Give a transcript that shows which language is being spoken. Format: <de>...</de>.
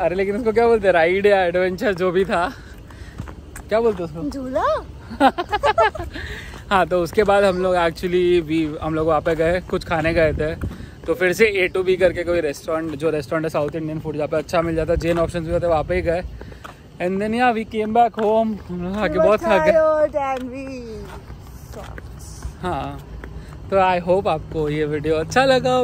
<hi>अरे लेकिन उसको क्या बोलते, राइड या एडवेंचर जो भी था, क्या बोलते उसको, झूला। हाँ, तो उसके बाद हम लोग वहाँ पे गए, कुछ खाने गए थे। तो फिर से ए टू बी करके कोई रेस्टोरेंट, जो रेस्टोरेंट है साउथ इंडियन फूड जहाँ पे अच्छा मिल जाता, जेन ऑप्शन भी होते, वहाँ पे ही गए।</hi> <en>And then yeah, we came back home.</en> <hi>आके बहुत थक गए। हाँ, तो</hi> <en>I hope</en> <hi>आपको ये वीडियो अच्छा लगा हो।</hi>